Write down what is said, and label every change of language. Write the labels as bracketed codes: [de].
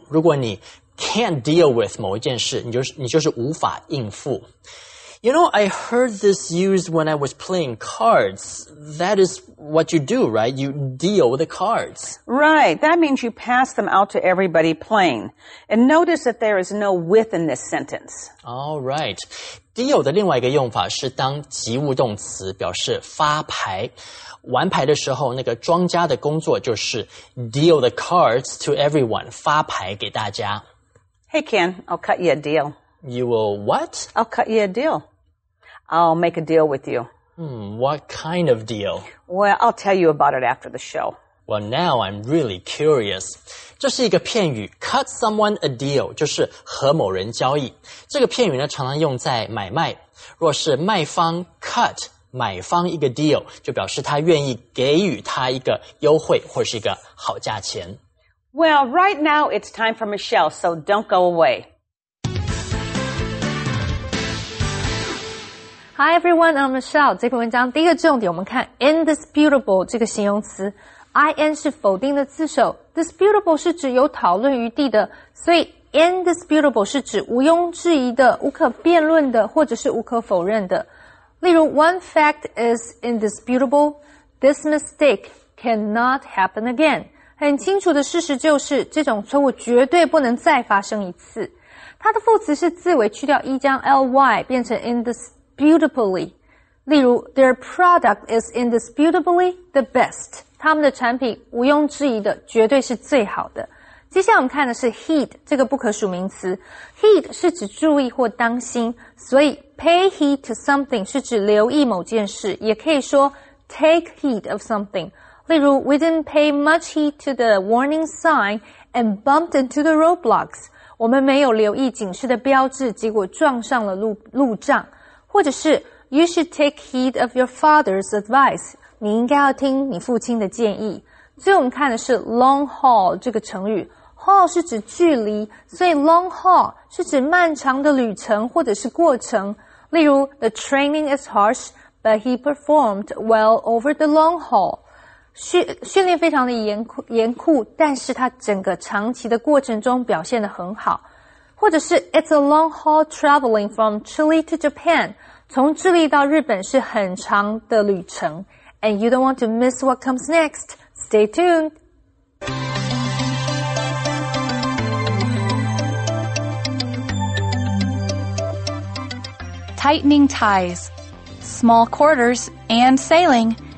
[zh] 如果你 [en] can't deal with [zh] 某一件事，你就是无法应付。 [en] You know, I heard this used when I was playing cards. That is what you do, right? You deal the cards. Right. That means you pass them out to everybody playing. And notice that there is no with in this sentence. All right. [zh] Deal 的另外一个用法是当及物动词，表示发牌。玩牌的时候，那个庄家的工作就是 [en] deal the cards to everyone, [zh] 发牌给大家。 [en] Hey, Ken, I'll cut you a deal. You will what? I'll cut you a deal. I'll make a deal with you. What kind of deal? Well, I'll tell you about it after the show. Well, now I'm really curious. [zh] 这是一个片语 [en] cut someone a deal, [zh] 就是和某人交易。这个片语呢常常用在买卖。若是卖方 cut 买方一个 deal, 就表示他愿意给予他一个优惠或是一个好价钱。 [en] Well, right now it's time for Michelle, so don't go away. Hi everyone, I'm Michelle. [zh] 这篇文章第一个重点我们看 indisputable 这个形容词。 IN 是否定的字首 ,disputable 是指有讨论余地的。所以 indisputable 是指无庸置疑的、无可辩论的或者是无可否认的。例如 [en] ,one fact is indisputable, this mistake cannot happen again. [zh] 很清楚的事实就是这种错误绝对不能再发生一次。它的副词是字尾去掉一将 ly 变成 indisputably。例如 [en] ,their product is indisputably the best。 [zh] 他们的产品毋庸置疑的绝对是最好的。接下来我们看的是 heed, 这个不可数名词。heed 是指注意或当心。所以 [en] pay heed to something [zh] 是指留意某件事。也可以说 [en] take heed of something。 [zh] 例如 [en] ,we didn't pay much heed to the warning sign and bumped into the roadblocks. [zh] 我们没有留意警示的标志结果撞上了 路障。或者是 [en] ,you should take heed of your father's advice. [zh] 你应该要听你父亲的建议。最后我们看的是 long haul 这个成语。haul 是指距离所以 long haul 是指漫长的旅程或者是过程。例如 [en] ,the training is harsh, but he performed well over the long haul. [zh] 训练非常的严酷但是他整个长期的过程中表现得很好。或者是 [en] It's a long haul traveling from Chile to Japan. [zh] 从智利到日本是很长的旅程。 [en] And you don't want to miss what comes next. Stay tuned! Tightening ties. Small quarters and sailing.